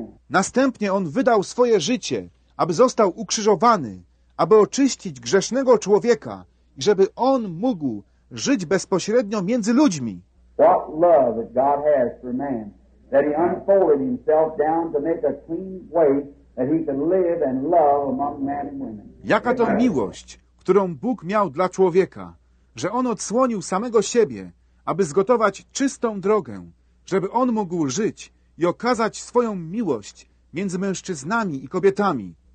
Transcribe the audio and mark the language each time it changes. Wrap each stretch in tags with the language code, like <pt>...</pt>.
<pl>Następnie on wydał swoje życie, aby został ukrzyżowany, aby oczyścić grzesznego człowieka i żeby on mógł żyć bezpośrednio między ludźmi.</pl> <en>What love that God has for man. That he unfolded himself down to make a clean way that he could live and love among men and women.</en> <pl>Jaka to miłość, którą Bóg miał dla człowieka, że on odsłonił samego siebie, aby zgotować czystą drogę, żeby on mógł żyć i okazać swoją miłość między mężczyznami i kobietami.</pl>